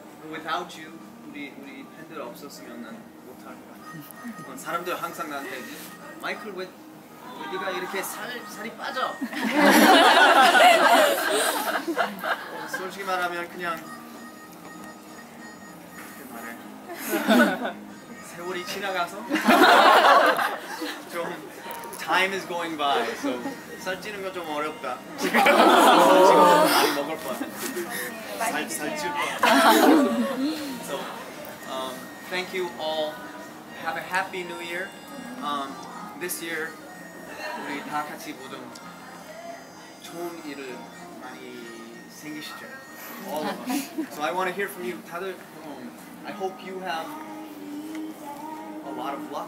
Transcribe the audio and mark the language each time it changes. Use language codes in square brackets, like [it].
[en] Without you [ko] 우리 팬들 없었으면 난 못할 것 같아. 사람들 항상 나한테 마이클 왜 네가 이렇게 살이 빠져? 솔직히 말하면 그냥 그만해. 세월이 지나가서 좀 [en] time is going by. [ko] So 살찌는 거 좀 어렵다. 지금 많이 먹을 것 같아. 살찔 것 같아. [en] So thank you all. Have a happy new year. This year [ko] 우리 다 같이 모든 좋은 일을 많이 생기시죠. [en] All of us. So I want to hear from you. 다들 I hope you have a lot of luck.